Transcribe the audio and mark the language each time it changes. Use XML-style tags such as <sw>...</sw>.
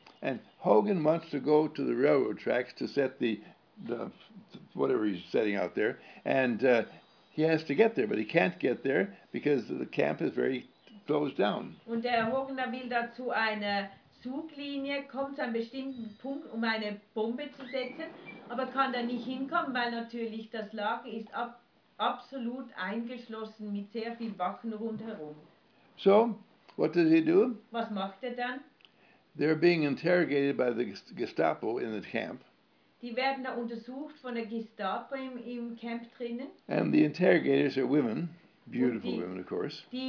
<en>And Hogan wants to go to the railroad tracks to set the whatever he's setting out there. And he has to get there, but he can't get there because the camp is very closed down.</en> <de>Und der Hogan will da zu einer Zuglinie, kommt zu einem bestimmten Punkt, um eine Bombe zu setzen, aber kann da nicht hinkommen, weil natürlich das Lager ist absolut eingeschlossen mit sehr viel Wachen rundherum.</de> <en>So. What does he do?</en> <de>Was macht er dann?</de> <en>They're being interrogated by the Gestapo in the camp.</en> <de>Die werden da untersucht von der Gestapo im Camp drinnen.</de> <en>And the interrogators are women, beautiful women, of course.</en>